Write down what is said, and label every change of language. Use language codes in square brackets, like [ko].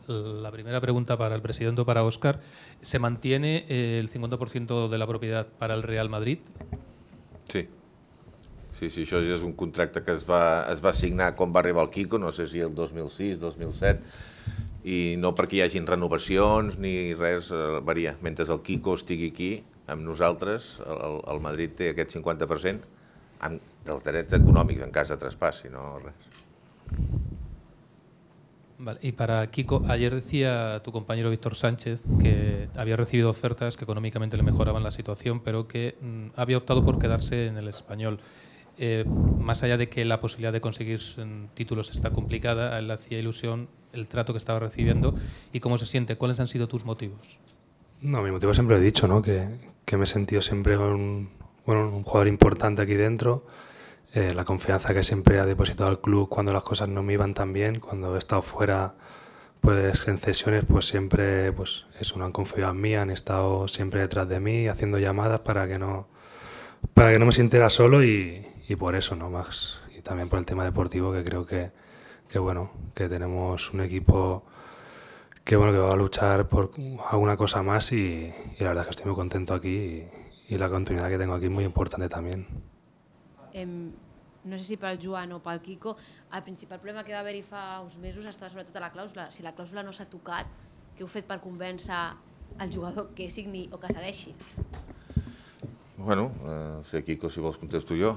[es] La primera pregunta para el presidente o para Óscar. ¿Se mantiene el 50% de la propiedad para el Real Madrid? Sí. [ca] Sí, això ja és un contracte que es va signar quan va arribar el Kiko, no sé si el 2006, 2007, i no perquè hi hagin renovacions ni res, varia. Mentre el Kiko estigui aquí, amb nosaltres, el Madrid té aquest 50% dels drets econòmics en cas de traspàs, si no res. [es] Vale, y para Kiko, ayer decía tu compañero Víctor Sánchez que había recibido ofertas que económicamente le mejoraban la situación, pero que había optado por quedarse en el Español. Más allá de que la posibilidad de conseguir títulos está complicada, a él le hacía ilusión el trato que estaba recibiendo y cómo se siente. ¿Cuáles han sido tus motivos? No, mi motivo siempre lo he dicho, ¿no? que, que me he sentido siempre un jugador importante aquí dentro. La confianza que siempre ha depositado al club cuando las cosas no me iban tan bien, cuando he estado fuera pues en cesiones, pues siempre pues eso, no han confiado en mí, han estado siempre detrás de mí haciendo llamadas para que no me sintiera solo y por eso, ¿no? Más y también por el tema deportivo, que creo que bueno, que tenemos un equipo que bueno, que va a luchar por alguna cosa más y la verdad es que estoy muy contento aquí y la continuidad que tengo aquí es muy importante también. [ca] No sé si pel Joan o pel Kiko, el principal problema que va haver-hi fa uns mesos estava sobretot a la clàusula. Si la clàusula no s'ha tocat, què heu fet per convèncer el jugador que signi o que segueixi? Bueno, sí, Kiko, si vols contesto jo.